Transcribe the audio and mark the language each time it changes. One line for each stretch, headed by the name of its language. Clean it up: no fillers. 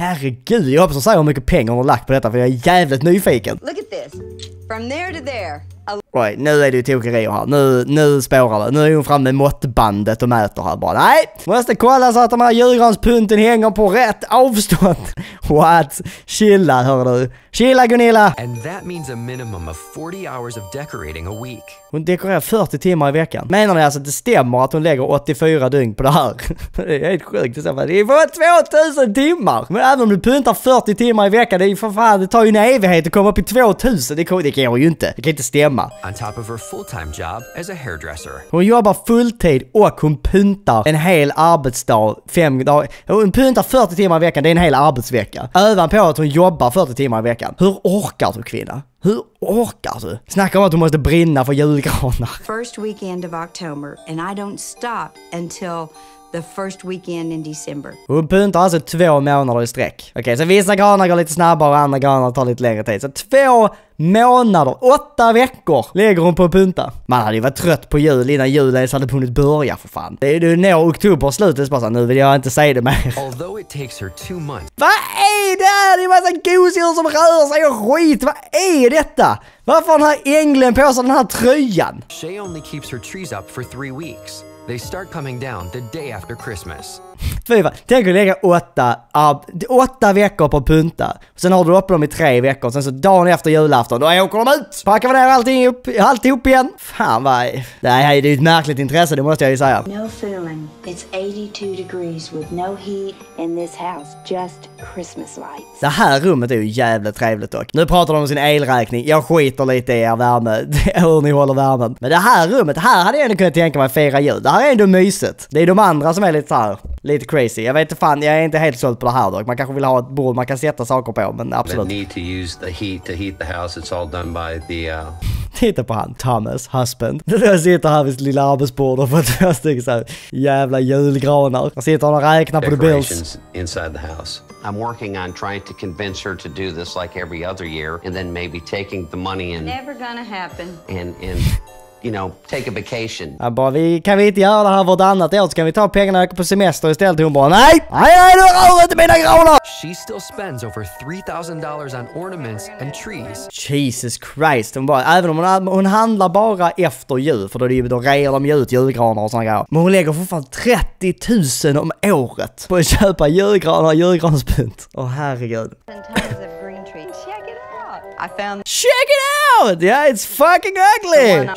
Swedish: Herregud, jag hoppas att säga hur mycket pengar hon har lagt på detta, för jag är jävligt nyfiken.
English: Look at this. From there to there.
Swedish: Right, nu är det ju tokerier här. Nu spårar det. Nu är hon framme med måttbandet och mäter här bara. Nej! Måste kolla så att de här julgranspynten hänger på rätt avstånd. What? Chilla, hör du. Chilla, Gunilla!
English: And that means a minimum of 40 hours of decorating a week.
Swedish: Hon dekorerar 40 timmar i veckan. Menar ni alltså att det stämmer att hon lägger 84 dygn på det här? Det är helt sjukt. Det är bara 2000 timmar! Men även om du pyntar 40 timmar i veckan, det är ju för fan, det tar ju en evighet att komma upp i 2000. Det kan hon ju inte. Det kan inte stämma.
English: On top of her full-time job as a hairdresser.
Swedish: Hon jobbar fulltid och hon pyntar en hel arbetsdag 5 dagar. Hon pyntar 40 timmar i veckan, det är en hel arbetsvecka. Ovanpå att hon jobbar 40 timmar i veckan. Hur orkar du, kvinna? Hur orkar du? Snacka om att du måste brinna för julgranar.
English: First weekend of October and I don't stop until the first weekend in December.
Swedish: Hon pyntar alltså 2 månader i sträck. Okej, så vissa granar går lite snabbare och andra granar tar lite längre tid. Så 2 månader, 8 veckor lägger hon på att punta. Man hade ju varit trött på jul innan julen hade hunnit börja för fan. Det är ju nu oktober och slutet. Så nu vill jag inte säga det mer.
English: Although it takes her 2 months.
Swedish: Vad är det? Det är en massa gosedjur som rör sig och skit. Vad är detta? Varför har den här änglen på sig den här tröjan?
English: Shay only keeps her trees up for 3 weeks. They start coming down the day after Christmas.
Swedish: Fy fan, tänk att lägga 8 veckor på punta. Sen har du upp dem i 3 veckor. Sen så dagen efter julafton, då åker de ut. Packar man ner allting upp, alltihop igen. Fan vad, det här är ett märkligt intresse. Det måste jag ju säga.
English: No fooling, it's 82 degrees with no heat in this house, just Christmas lights.
Swedish: Det här rummet är ju jävligt trevligt dock. Nu pratar de om sin elräkning. Jag skiter lite i er värme. Hur ni håller värmen. Men det här rummet, här hade jag ändå kunnat tänka mig fira jul. Det här är ändå mysigt. Det är de andra som är lite så här. Lite crazy. Jag vet inte fan, jag är inte helt sålt på det här dock. Man kanske vill ha ett bord man kan sätta saker på, men absolut.
English: Need to use the heat to heat the house. It's all done by the
Swedish: Titta på han, Thomas, husband. Jag sitter här vid sitt lilla arbetsbord och får två stycken så här jävla julgranar. Jag sitter och räknar på
English: the bills. Inside the house. I'm working on trying to convince her to do this like every other year and then maybe taking the money and never gonna happen. And you know, take a vacation.
Swedish: Ja, bara, vi kan vi inte göra det här vartannat år, så kan vi ta pengarna och åka på semester istället. Hon bara, nej, du rör inte mina granar.
English: She still spends over $3,000 on ornaments and trees. Jesus Christ,
Swedish: hon bara, även om hon handlar bara efter jul, för då är det ju då rejer de ju ut julgranar och sådana grejer. Men hon lägger för fan 30 000 om året på att köpa julgranar och julgranspynt. Åh, herregud.
English: Check it out! Yeah, it's fucking ugly!